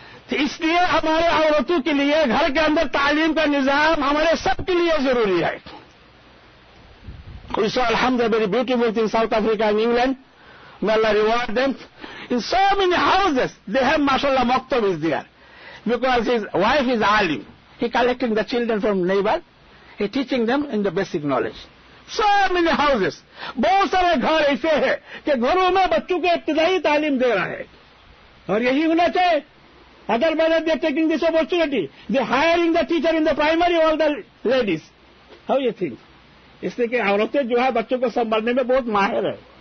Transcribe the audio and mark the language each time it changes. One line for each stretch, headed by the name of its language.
Hindi: तो इसलिए हमारे औरतों के लिए घर के अंदर तालीम का निजाम हमारे सबके लिए जरूरी है
English: We so अल्हम्दुलिल्लाह very beautiful in South Africa and England may Allah reward them in so many houses they have माशाल्लाह मक्तब is there because his wife is आलिम He collecting the children from neighbor. He teaching them in the basic knowledge. So many houses.
Hindi: बहुत सारे घर ऐसे हैं कि घरों में बच्चों को इब्तिदाई तालीम दे रहा है और यही होना चाहिए
English: otherwise they taking this opportunity they hiring the teacher in the primary all the ladies how you think
Hindi: इसलिए कि औरतें जो है बच्चों को संभालने में बहुत माहिर है